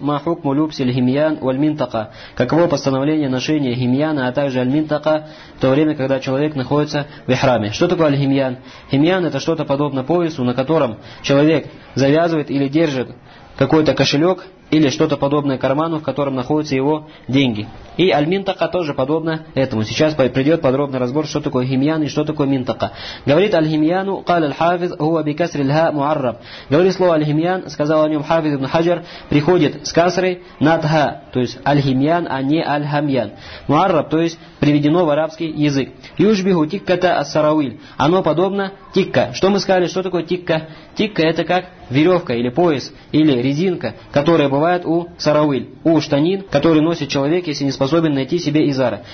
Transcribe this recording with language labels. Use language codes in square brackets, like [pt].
[ar] Ма хукму любси льхимьян вальминтака? [ru] Каково постановление ношения химьяна, а также альминтака в то время, когда человек находится в ихраме? Что такое альхимьян? Химьян – это что-то подобно поясу, на котором человек завязывает или держит какой-то кошелек или что-то подобное карману, в котором находятся его деньги. И аль-минтака тоже подобно этому. Сейчас придет подробный разбор, что такое химьян и что такое минтака. Говорит аль-химьяну, [ar] قال الحافظ هو بكسر الهاء معرب. [ru] Говорит слово аль-химьян, сказал о нем Хафиз ибн Хаджар, приходит с касрой над ха, то есть аль-химьян, а не аль-хамьян. Муарраб, то есть приведено в арабский язык. [ar] Южбиху тикката ас-сарауиль. [ru] Оно подобно тикка. Что мы сказали, что такое тикка? Тикка — это как веревка или пояс, или резинка, которая бывает у сарауиль, у штанин, который носит человек, если не способен найти себе изара.